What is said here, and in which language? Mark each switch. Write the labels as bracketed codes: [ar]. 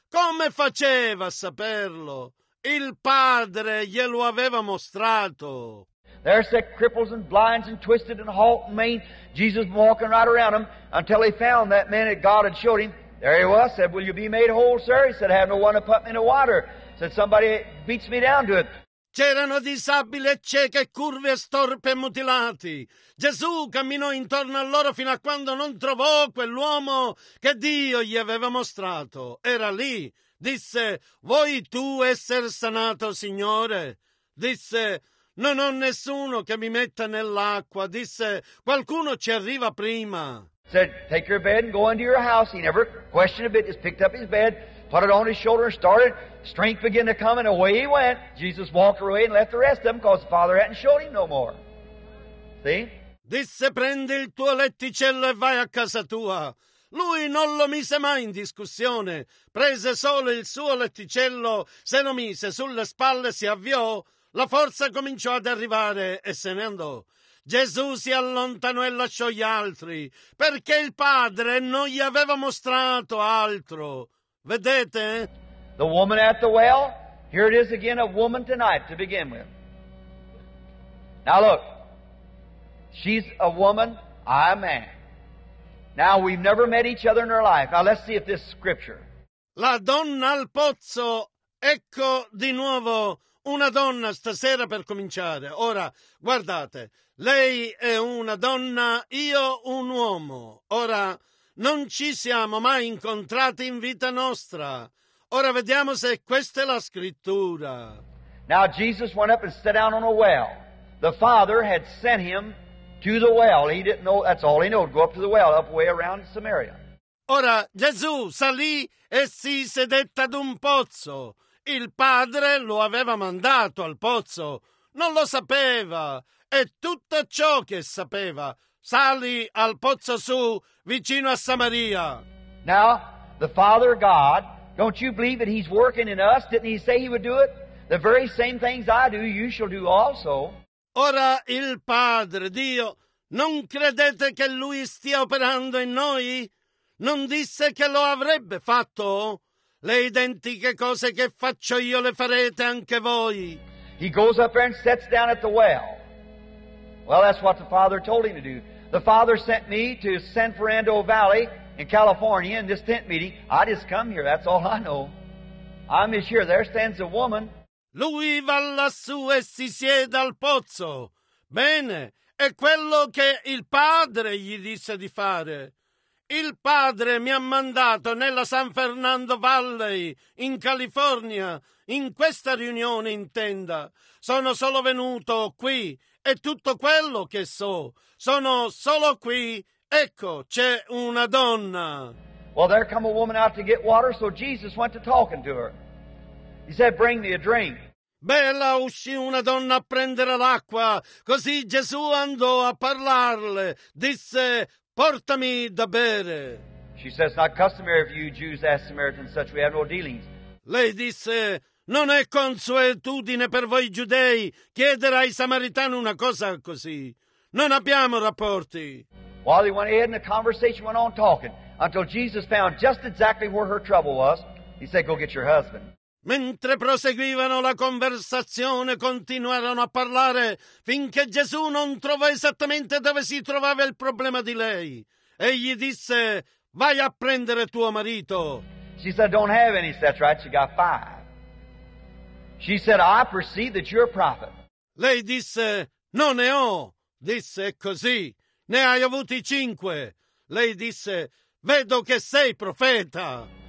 [it] Come faceva a saperlo? Il Padre glielo aveva mostrato. [en] There sat cripples and blinds and twisted and halt and maimed. Jesus walking right around them until he found that man that God had showed him. There he was, said, will you be made whole, sir? He said, I have no one to put me in the water. Said, somebody beats me down to it. [it] C'erano disabili e cieche, curve, storpe e mutilati. Gesù camminò intorno a loro fino a quando non trovò quell'uomo che Dio gli aveva mostrato. Era lì. Disse, vuoi tu essere sanato, Signore? Disse, non ho nessuno che mi metta nell'acqua. Disse, qualcuno ci arriva prima. [en] Said, take your bed and go into your house. He never questioned a bit, just picked up his bed, put it on his shoulder and started. Strength began to come and away he went. Jesus walked away and left the rest of them because the Father hadn't showed him no more. See? [it] Disse, prendi il tuo letticello e vai a casa tua. Lui non lo mise mai in discussione. Prese solo il suo letticello, se lo mise sulle spalle, si avviò. La forza cominciò ad arrivare e se ne andò. Gesù si allontanò e lasciò gli altri, perché il Padre non gli aveva mostrato altro. Vedete? [en] The woman at the well, here it is again, a woman tonight to begin with. Now look, she's a woman, I'm a man. Now we've never met each other in our life. Now let's see if this scripture. [it] La donna al pozzo, ecco di nuovo una donna stasera per cominciare. Ora, guardate, lei è una donna, io un uomo. Ora, non ci siamo mai incontrati in vita nostra. Ora vediamo se questa è la scrittura. [en] Now Jesus went up and sat down on a well. The Father had sent him to the well. He didn't know, that's all he knew, go up to the well, up way around Samaria. [it] Ora Gesù salì e si sedette ad un pozzo. Il Padre lo aveva mandato al pozzo. Non lo sapeva. È tutto ciò che sapeva. Sali al pozzo su, vicino a Samaria. [en] Now, the Father God, don't you believe that he's working in us? Didn't he say he would do it? The very same things I do, you shall do also. [it] Ora, il Padre Dio, non credete che lui stia operando in noi? Non disse che lo avrebbe fatto? Le identiche cose che faccio io le farete anche voi. [en] He goes up there and sits down at the well. Well, that's what the Father told him to do. The Father sent me to San Fernando Valley in California in this tent meeting. I just come here, that's all I know. I'm just here, there stands a woman. [it] Lui va lassù e si siede al pozzo. Bene, è quello che il Padre gli disse di fare. Il Padre mi ha mandato nella San Fernando Valley, in California, in questa riunione in tenda. Sono solo venuto qui, è tutto quello che so. Sono solo qui, ecco, c'è una donna. [en] Well, there come a woman out to get water, so Jesus went to talking to her. He said, bring me a drink. [it] Beh, là uscì una donna a prendere l'acqua, così Gesù andò a parlarle, disse... Portami da bere. [en] She says, not customary for you Jews ask Samaritans such, we have no dealings. [it] Lei disse, non è consuetudine per voi giudei chiedere ai samaritani una cosa così. Non abbiamo rapporti. [en] While he went ahead and the conversation went on talking, until Jesus found just exactly where her trouble was, he said, go get your husband. [it] Mentre proseguivano la conversazione, continuarono a parlare finché Gesù non trovò esattamente dove si trovava il problema di lei. Egli disse, vai a prendere tuo marito. [en] She said, don't have any, that's right, you got five. She said, I perceive that you're a prophet. [it] Lei disse, non ne ho. Disse, così, ne hai avuti cinque. Lei disse, vedo che sei profeta.